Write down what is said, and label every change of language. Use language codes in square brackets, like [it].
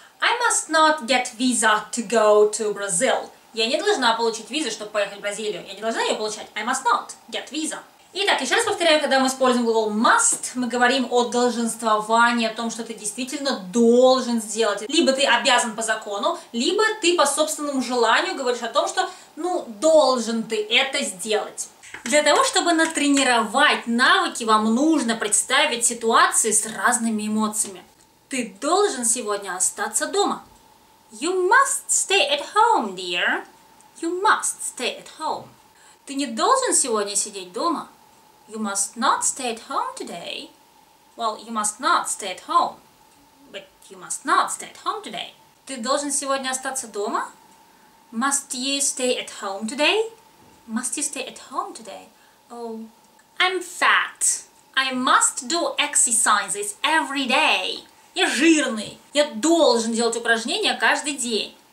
[en] I must not get visa to go to Brazil. [ru] Я не должна получить визу, чтобы поехать в Бразилию. Я не должна ее получать. [en] I must not get visa. [ru] Итак, еще раз повторяю, когда мы используем глагол must, мы говорим о долженствовании, о том, что ты действительно должен сделать. Либо ты обязан по закону, либо ты по собственному желанию говоришь о том, что, ну, должен ты это сделать. Для того, чтобы натренировать навыки, вам нужно представить ситуации с разными эмоциями. Ты должен сегодня остаться дома. [en] You must stay at home, dear. You must stay at home. [ru] Ты не должен сегодня сидеть дома. [en] You must not stay at home today. Well, you must not stay at home. But you must not stay at home today. [ru] Ты должен сегодня остаться дома? [en] Must you stay at home today? Must you stay at home today? Oh, I'm fat. I must do exercises every day. [ru] Я жирный. Я должен делать упражнения каждый день.